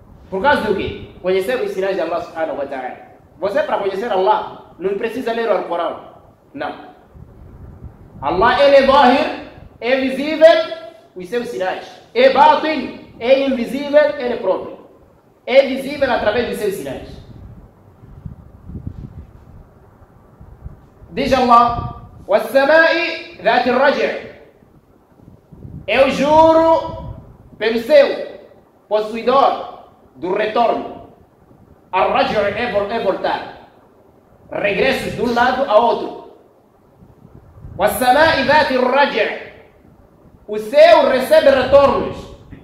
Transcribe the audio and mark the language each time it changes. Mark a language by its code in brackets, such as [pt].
[pt] Por causa do quê? Conhecer os sinais de Allah subhanahu wa ta'ala. Você, para conhecer Allah, não precisa ler o Alcorão. Não. Allah, ele é zahir, é visível, os seus sinais. É batin, é invisível, ele próprio. É visível através dos seus sinais. Diz Allah, [ar] وَالسَّمَاءِ ذَاتِ الرَّجْعِ. [pt] Eu juro pelo seu possuidor do retorno. Ar-Rajr é voltar. Regresso de um lado a outro. [ar] وَالسَّمَاءِ ذَاتِ الرَّجْعِ. [pt] O céu recebe retornos.